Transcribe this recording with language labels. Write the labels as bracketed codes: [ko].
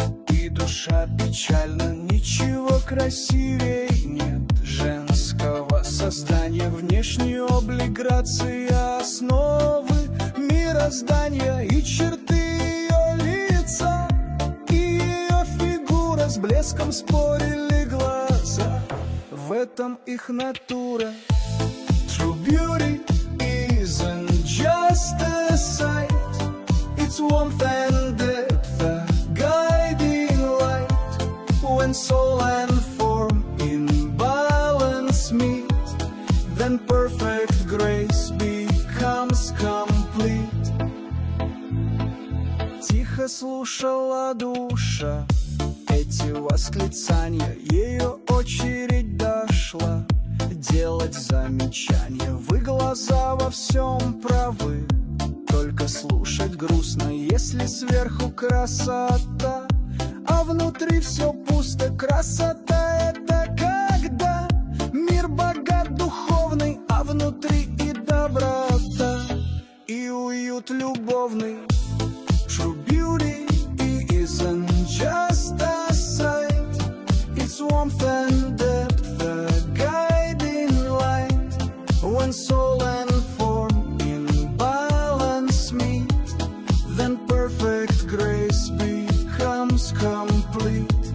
[ru] И душа печальна, ничего красивей нет женского создания. Внешний облик, грация, основы мироздания и черты ее лица. И ее фигура, с блеском спорили глаза. В этом их натура. [en] True beauty isn't just a sight, it's warmth and depth, a guiding light. When soul and form in balance meet, then perfect grace becomes complete. [ru] Тихо слушала душа эти восклицания, ее очередь дошла делать замечания. Вы глаза во всем правы, только слушать грустно, если сверху красота, а внутри все пусто. Красота — это когда мир богат духовный, а внутри и доброта, и уют любовный. [en] True beauty isn't just a sight, it's warmth and depth, a guiding light. When soul and form in balance meet, then perfect grace becomes complete.